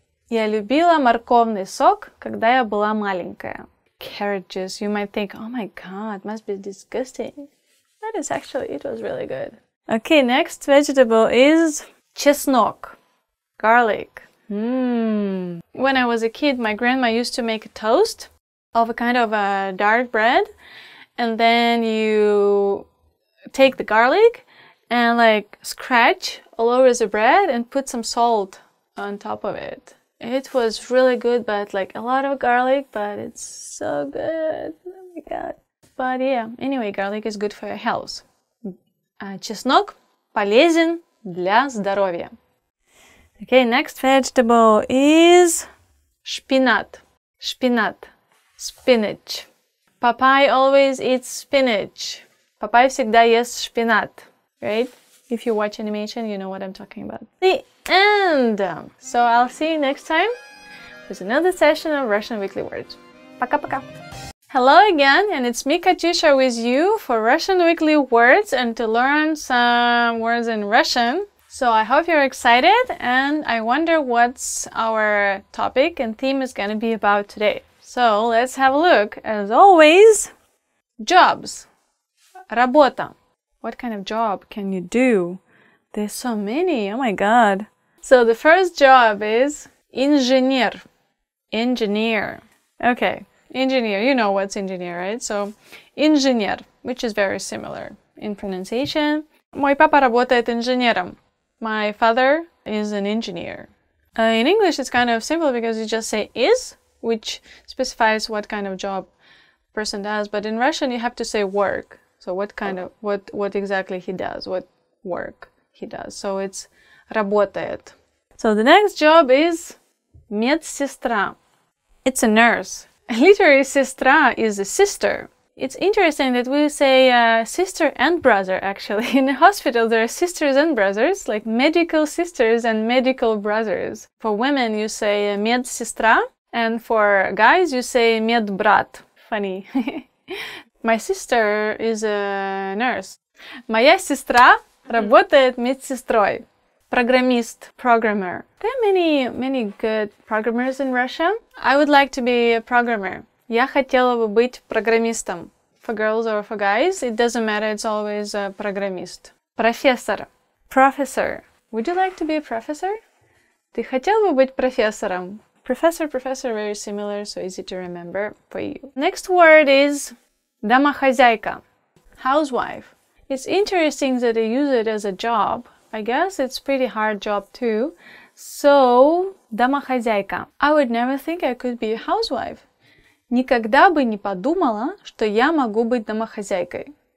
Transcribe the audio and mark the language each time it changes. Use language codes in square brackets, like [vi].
[ru] Я любила морковный сок, когда я была маленькая. [en] carrot juice, you might think, oh my god, must be disgusting. That is actually, it was really good. Okay, next vegetable is chesnok, garlic. When I was a kid, my grandma used to make a toast of a kind of a dark bread, and then you take the garlic and like scratch all over the bread and put some salt on top of it. It was really good, but like a lot of garlic, but it's so good. Oh my god. But yeah, anyway, garlic is good for your health. [ru] Чеснок полезен для здоровья. [en] Okay, next vegetable is шпинат, спинач. Папай always eats spinach. [ru] Папай всегда ест шпинат, right? [en] If you watch animation, you know what I'm talking about. The end! So I'll see you next time with another session of Russian Weekly Words. [ru] Пока-пока! [en] Hello again, and it's me, Katyusha, with you for Russian Weekly Words and to learn some words in Russian. So I hope you're excited, and I wonder what's our topic and theme is going to be about today. So let's have a look. As always, jobs. Работа. What kind of job can you do? There's so many, oh my god. So the first job is engineer. Engineer. Okay, engineer, you know what's engineer, right? So engineer, which is very similar in pronunciation. [ru] Мой папа работает инженером. [en] My father is an engineer. In English, it's kind of simple because you just say is, which specifies what kind of job person does. But in Russian, you have to say work. So what kind of, what exactly he does, what work he does. So it's работает. So the next job is медсестра. It's a nurse. Literally, сестра is a sister. It's interesting that we say sister and brother, actually. In a hospital, there are sisters and brothers, like medical sisters and medical brothers. For women, you say медсестра, and for guys, you say медбрат. Funny. My sister is a nurse. [ru] Моя сестра работает медсестрой. [en] Программист. Programmer. There are many, many good programmers in Russia. I would like to be a programmer. [ru] Я хотела бы быть программистом. [en] For girls or for guys, it doesn't matter, it's always a программист. Профессор. Professor. Would you like to be a professor? [ru] Ты хотел бы быть профессором? [en] Professor, very similar, so easy to remember for you. Next word is домохозяйка. Housewife. It's interesting that they use it as a job. I guess it's pretty hard job too. So, домохозяйка. I would never think I could be a housewife. [ru] Никогда бы не подумала, что я могу быть домохозяйкой.